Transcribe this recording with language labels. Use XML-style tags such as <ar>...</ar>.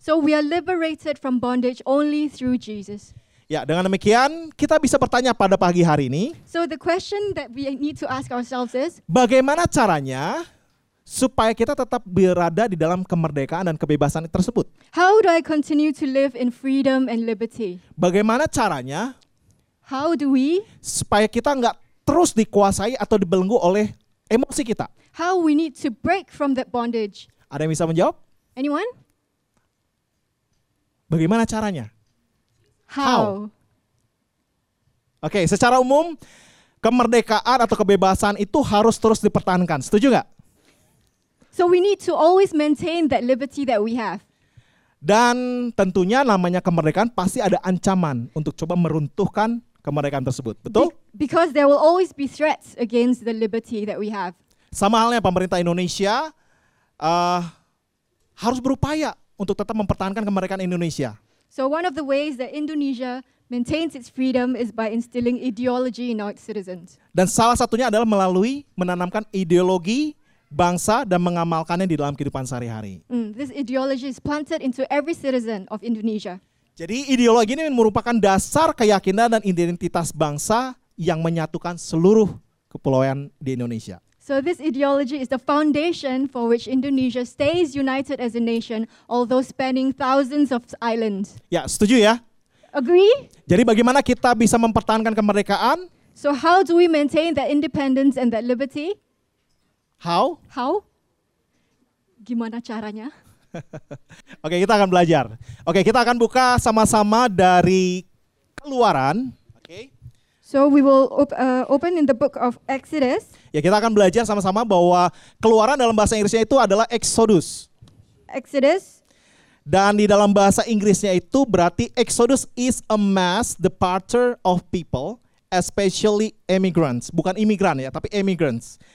<en>So we are liberated from bondage only through Jesus.</en> <id>Ya, dengan demikian kita bisa bertanya pada pagi hari ini.</id> <en>So the question that we need to ask ourselves is,</en> <id>bagaimana caranya supaya kita tetap berada di dalam kemerdekaan dan kebebasan tersebut?</id> <en>How do I continue to live in freedom and liberty?</en> <id>Bagaimana caranya?</id> <en>How do we?</en> <id>Supaya kita enggak terus dikuasai atau dibelenggu oleh emosi kita.</id> <en>How we need to break from that bondage?</en> <id>Ada yang bisa menjawab?</id> <en>Anyone?</en> <id>Bagaimana caranya?</id> <en>How?</en> <id>Okay, secara umum kemerdekaan atau kebebasan itu harus terus dipertahankan. Setuju enggak?</id> <en>So we need to always maintain that liberty that we have.</en> <id>Dan tentunya namanya kemerdekaan pasti ada ancaman untuk coba meruntuhkan kemerdekaan tersebut, betul?</id> <en>Because there will always be threats against the liberty that we have.</en> <id>Sama halnya pemerintah Indonesia harus berupaya untuk tetap mempertahankan kemerdekaan Indonesia.</id> <en>So one of the ways that Indonesia maintains its freedom is by instilling ideology in our citizens.</en> <id>Dan salah satunya adalah melalui menanamkan ideologi bangsa dan mengamalkannya di dalam kehidupan sehari-hari.</id> <en>This ideology is planted into every citizen of Indonesia.</en> <id>Jadi ideologi ini merupakan dasar keyakinan dan identitas bangsa yang menyatukan seluruh kepulauan di Indonesia.</id> <en>So this ideology is the foundation for which Indonesia stays united as a nation, although spanning thousands of islands.</en> <id>Ya, setuju ya?</id> <en>Agree?</en> <id>Jadi bagaimana kita bisa mempertahankan kemerdekaan?</id> <en>So how do we maintain that independence and that liberty? How? How?</en> <id>Gimana caranya? Oke, kita akan belajar. Oke, kita akan buka sama-sama dari Keluaran. Oke.</id> <en>So we will open in the book of Exodus.</en> <id>Ya, kita akan belajar sama-sama bahwa Keluaran dalam bahasa Inggrisnya itu adalah Exodus.</id> <en>Exodus.</en> <id>Dan di dalam bahasa Inggrisnya itu berarti</id> <en>Exodus is a mass departure of people, especially immigrants.</en> <id>Bukan imigran ya, tapi immigrants.</id>